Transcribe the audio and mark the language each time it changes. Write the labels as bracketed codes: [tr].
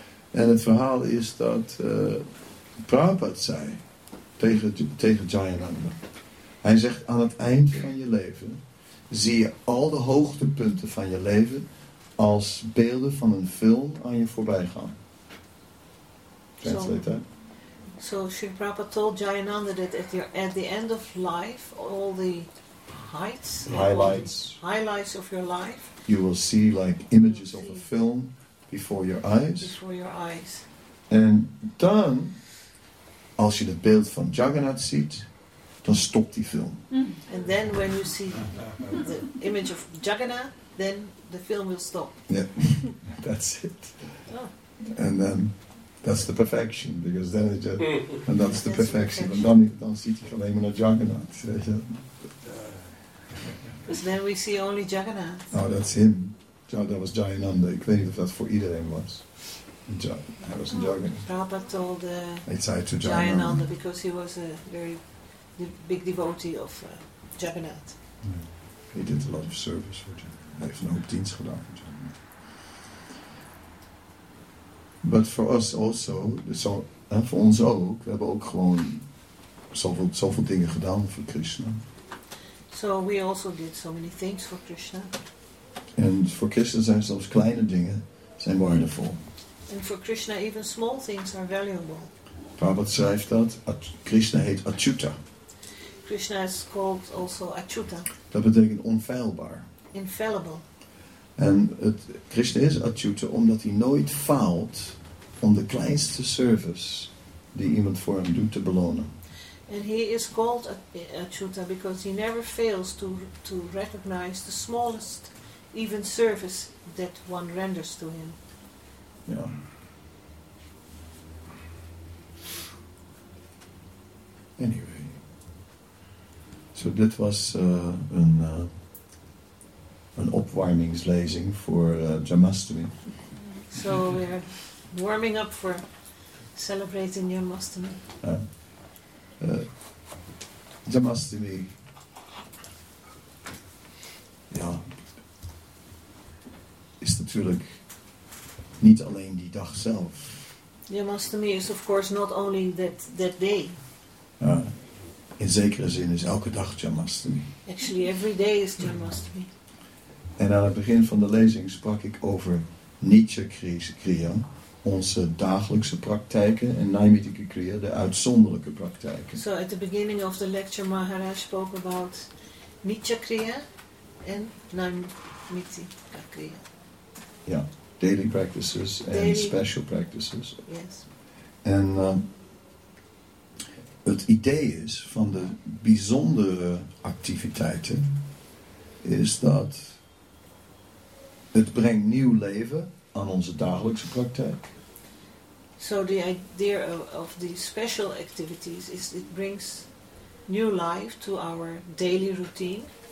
[nl] En het verhaal is dat Prabhupada zei tegen Jayananda. Hij zegt, aan het eind van je leven zie je al de hoogtepunten van je leven als beelden van een film aan je voorbij gaan. [en] Translate that. So Srila Prabhupada told Jayananda that at the end of life, all the highlights of your life, you will see like images of a film before your eyes. [nl] En dan, als je het beeld van Jagannath ziet, dan stopt die film. [en] And then when you see the image of Jagannath, then the film will stop. Yeah, that's it. And then. That's the perfection, because then it just, and that's the perfection. And [nl] dan ziet hij alleen maar naar Jagannath. [en] Because then we see only Jagannath. Oh, that's him. That was Jayananda. [nl] Ik weet niet of dat voor iedereen was. Hij was een Jagannath. [en] Prabhupada told Jayananda because he was a very big devotee of Jagannath. Yeah. He did a lot of service for Jagannath. [nl] Hij heeft een hoop dienst gedaan. [en] But for us also, [nl] en voor ons ook, we hebben ook gewoon zoveel dingen gedaan voor Krishna. [en] So we also did so many things for Krishna. [nl] En voor Krishna zijn zelfs kleine dingen zijn waardevol. And for Krishna even small things are valuable. Prabhupada schrijft dat, Krishna heet Achyuta. [en] Krishna is called also Achyuta. [nl] Dat betekent onfeilbaar. [en] Infallible. [nl] En Krishna is Achyuta omdat hij nooit faalt om de kleinste service die iemand voor hem doet te belonen. [en] And he is called Achyuta because he never fails to recognize the smallest even service that one renders to him. [nl] Ja. [en] Anyway. [nl] So dit was een opwarmingslezing voor Jamastami. [en] So we are warming up for celebrating Jamastami. Jamastami. [nl] Ja. Is natuurlijk niet alleen die dag zelf. [en] Jamastami is of course not only that day. [nl] In zekere zin is elke dag Jamastami. [en] Actually every day is Jamastami. [nl] En aan het begin van de lezing sprak ik over Nitya Kriya, onze dagelijkse praktijken, en Naimitika Kriya, de uitzonderlijke praktijken. [en] So at the beginning of the lecture Maharaj spoke about Nitya Kriya en Naimitika Kriya. Ja, daily practices en special practices. Yes. [nl] En het idee is van de bijzondere activiteiten is dat het brengt nieuw leven aan onze dagelijkse praktijk. [en] So the idea of the special activities is it brings new life to our daily routine.